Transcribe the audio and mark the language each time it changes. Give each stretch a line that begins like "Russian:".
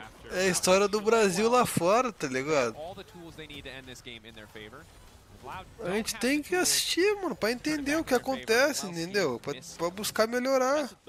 Portuguese: É a história do Brasil lá fora, tá ligado?
English: All the tools they need to end this game in their favor.
Portuguese: A gente tem que assistir, mano, pra entender o que acontece, entendeu? Pra buscar melhorar.